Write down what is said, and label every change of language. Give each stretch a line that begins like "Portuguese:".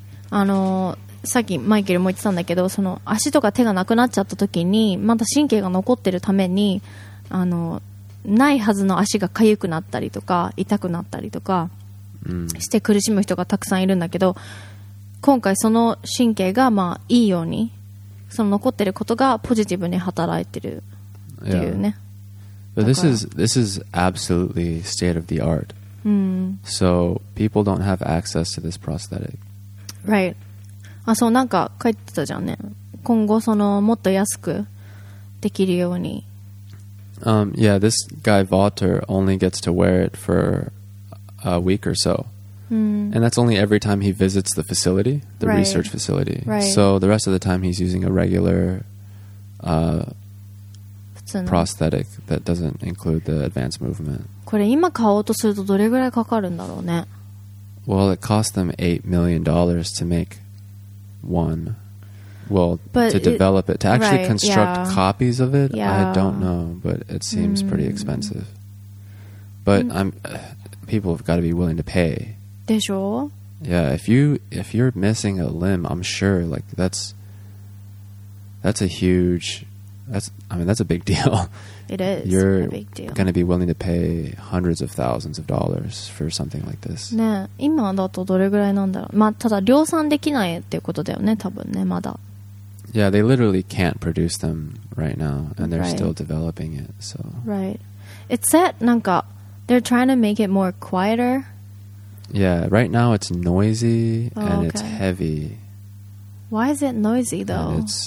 Japanese: さっきマイケルも言ってたんだけど、その足とか手がなくなっちゃった時にまだ神経が残ってるために、ないはずの足が痒くなったりとか痛くなったりとかして苦しむ人がたくさんいるんだけど、今回その神経がまあいいように、その残ってることがポジティブに働いてるっていうね。
English: But this is absolutely state of the art. So people don't have access to this prosthetic. Right.
Japanese: あ、そう、なんか書いてたじゃんね。今後そのもっと安くできるように。
English: Yeah, this guy Valter only gets to wear it for a week or so. And that's only every time he visits the facility, the right. research facility. Right. So the rest of the time he's using a regular prosthetic that doesn't include the advanced movement.
Japanese: これ今買おうとするとどれぐらいかかるんだろうね。
English: Well, it cost them $8 million to make one. Well, but to develop it, to actually right, construct yeah. copies of it, yeah. I don't know, but it seems pretty expensive. But people have got to be willing to pay.
Japanese: でしょ?
English: Yeah, if you're missing a limb, I'm sure like that's a huge That's a big deal. It is. You're a big deal. Going to be willing to pay hundreds of thousands of dollars for something like this.
Japanese: ね、今だとどれぐらいなんだろう。まあ、ただ量産できないっていうことだよね、多分ね、まだ。
English: Yeah, they literally can't produce them right now, and they're still developing it, so. Right. It said, なんか, they're trying to make it more quieter. Yeah, right now it's noisy and it's heavy. Why is it noisy, though?